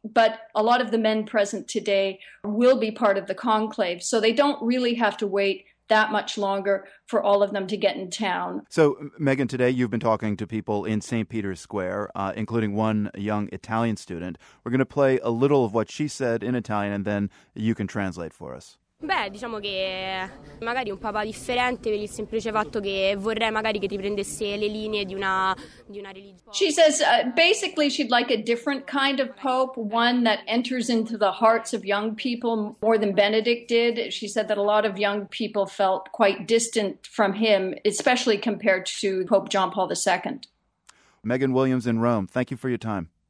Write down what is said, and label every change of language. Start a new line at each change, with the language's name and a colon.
English: But a lot of the men present today will be part of the conclave. So they don't really have to wait that much longer for all of them to get in town. So, Megan, today you've been talking to people in St. Peter's Square, including one young Italian student. We're going to play a little of what she said in Italian, and then you can translate for us.
Italian: Beh, diciamo che magari un papà differente per il semplice fatto che vorrei magari che riprendesse le linee di una religione.
English: She says basically she'd like a different kind of pope, one that enters into the hearts of young people more than Benedict did. She said that a lot of young people felt quite distant from him, especially compared to Pope John Paul II. Megan Williams in Rome, thank you for your time.